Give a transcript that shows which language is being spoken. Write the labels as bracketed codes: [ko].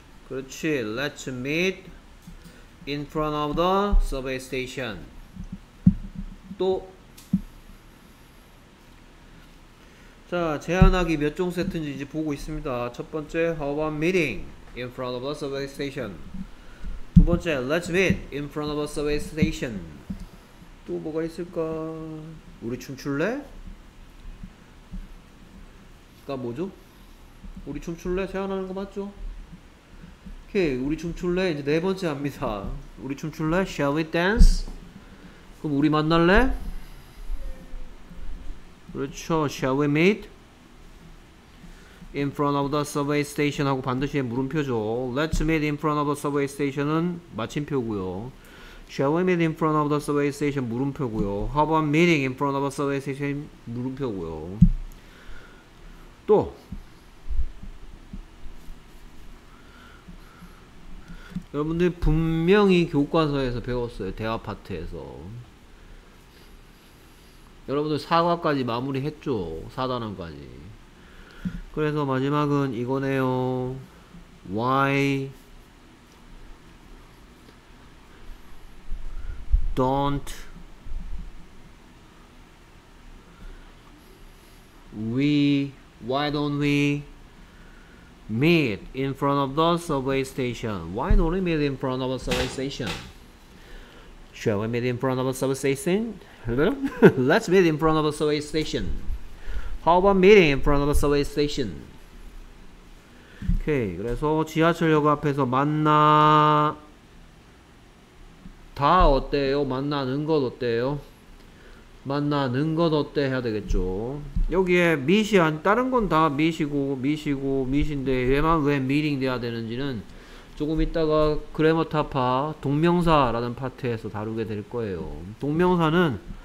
[en] Let's meet in front of the subway station. [ko] 또 자, 제안하기 몇 종 세트인지 이제 보고 있습니다. 첫 번째, [en] how about meeting in front of the subway station. [ko] 두 번째, [en] let's meet in front of the subway station. [ko] 또 뭐가 있을까? 우리 춤출래? 그니까 뭐죠? 우리 춤출래? 제안하는 거 맞죠? 오케이, 우리 춤출래? 이제 네 번째 합니다. 우리 춤출래? [en] Shall we dance? [ko] 그럼 우리 만날래? 그렇죠. [en] Shall we meet? In front of the subway station [ko] 하고 반드시 물음표죠. [en] Let's meet in front of the subway station은 [ko] 마침표고요. [en] Shall we meet in front of the subway station [ko] 물음표고요. [en] How about meeting in front of the subway station 물음표고요. [ko] 또 여러분들 분명히 교과서에서 배웠어요. 대화 파트에서 여러분들 사과까지 마무리 했죠. 4단원까지. 그래서 마지막은 이거네요. [en] Why don't we why don't we meet in front of the subway station. Why don't we meet in front of a subway station? Shall we meet in front of a subway station? Let's meet in front of a subway station. How about meeting in front of a subway station? [ko] Okay, 그래서 지하철역 앞에서 만나 다 어때요? 만나는 것 어때요? 만나는 것 어때 해야 되겠죠. 여기에 meet이 한 다른 건 다 meet이고 meet인데 얘만 왜 meeting 돼야 되는지는 조금 있다가 그래머 타파 동명사라는 파트에서 다루게 될 거예요. 동명사는